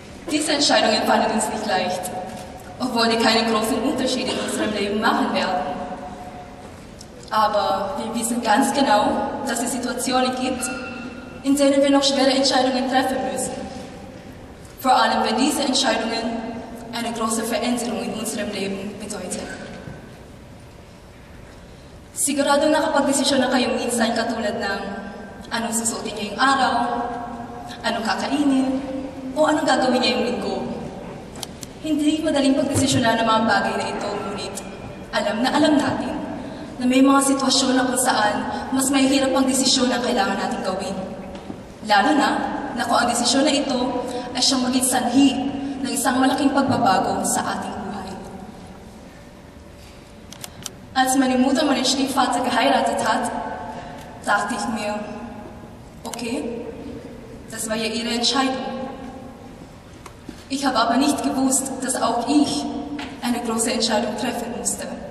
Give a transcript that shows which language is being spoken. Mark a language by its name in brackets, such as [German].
[German] Diese Entscheidungen fallen uns nicht leicht, obwohl die keinen großen Unterschied in unserem Leben machen werden. Aber wir wissen ganz genau, dass es Situationen gibt, in denen wir noch schwere Entscheidungen treffen müssen. Vor allem, wenn diese Entscheidungen eine große Veränderung in unserem Leben bedeuten. [Filipino] Sigurado nakapag-desisyon na kayong minsan katulad ng anong susuotin niya yung araw, anong kakainin, o anong gagawin niya yung linggo. Hindi madaling pagdesisyonan ang mga bagay na ito, ngunit alam na alam natin na may mga sitwasyon na kung saan mas mahihirap ang desisyon na kailangan natin gawin. Lalo na kung ang desisyon na ito ay siyang maging sanhi ng isang malaking pagbabago sa ating buhay. [German] Als meine Mutter meinen Stiefvater geheiratet hat, dachte ich mir, okay, das war ja ihre Entscheidung. Ich habe aber nicht gewusst, dass auch ich eine große Entscheidung treffen musste.